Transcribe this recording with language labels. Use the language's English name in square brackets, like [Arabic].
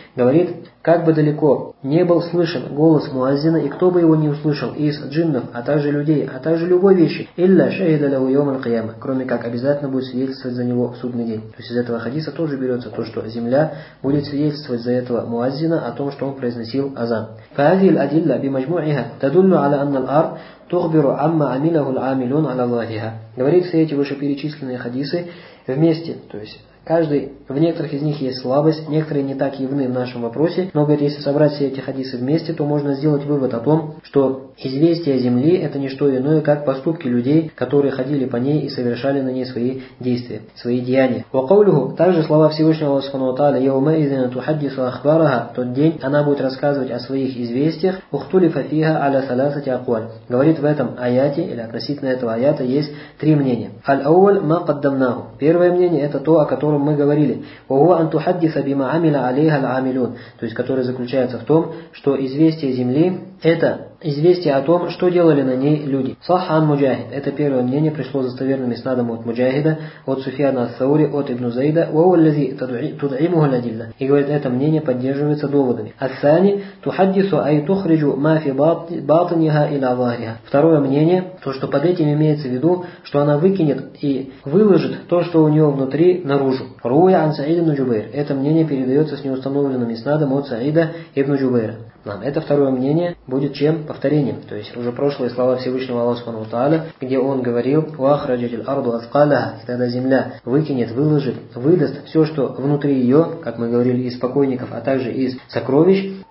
[Russian] Говорит: как бы далеко не был слышен голос муаззина, и кто бы его не услышал из джиннов, а также людей, а также любой вещи, [Arabic] илля шахида ляху йаум аль-кияма, [Russian] кроме как обязательно будет свидетельствовать за него в судный день. То есть из этого хадиса тоже берется то, что земля будет свидетельствовать за этого муаззина о том, что он произносил азан. [Arabic] فهذه الأدلة بمجموعها تدل على أن الأرض تخبر عما عمله العاملون على ظاهرها. [Russian] Говорит, все эти вышеперечисленные хадисы вместе, то есть каждый, в некоторых из них есть слабость, некоторые не так явны в нашем вопросе, но, говорит, если собрать все эти хадисы вместе, то можно сделать вывод о том, что известие земли – это не что иное, как поступки людей, которые ходили по ней и совершали на ней свои действия, свои деяния. [Arabic] وقوله, [Russian] также слова Всевышнего Аллаха Субхана ва Тааля: [Arabic] «Яумаизин тухаддису ахбараха», [Russian] тот день она будет рассказывать о своих известиях. [Arabic] «Ухтулифа фиха аля саласати акуаль». [Russian] Говорит, в этом аяте, или относительно этого аята, есть три мнения. [Arabic] «Аль-ауаль ма каддамнаху». [Russian] Первое мнение – это то, о котором мы говорили. [Arabic] وهو أن تحدث بما عمل عليها العاملون. [Russian] То есть, которое заключается в том, что известие земли – это известие о том, что делали на ней люди. [Arabic] صح عن مجاهد. [Russian] Это первое мнение пришло достоверным иснадом от Муджахида, от Суфьяна ас-Саури, от Ибн Зайда. [Arabic] وهو الذي تدعمه الأدلة. [Russian] И говорит, это мнение поддерживается доводами. [Arabic] الثاني تحدث أي تخرج ما في باطنها إلى ظاهرها. [Russian] Второе мнение, то, что под этим имеется в виду, что она выкинет и выложит то, что у нее внутри, наружу. [Arabic] روي عن سعيد بن جبير. [Russian] Это мнение передается с неустановленным иснадом от Саида ибн Джубейра. Это второе мнение будет чем? Повторением. То есть уже прошлые слова Всевышнего Аллаха Субхана ва Тааля, где он говорил: [Arabic] «Уахраджатил арду аткаляха», [Russian] и тогда земля выкинет, выложит, выдаст все, что внутри ее, как мы говорили, из покойников, а также из сокровищ.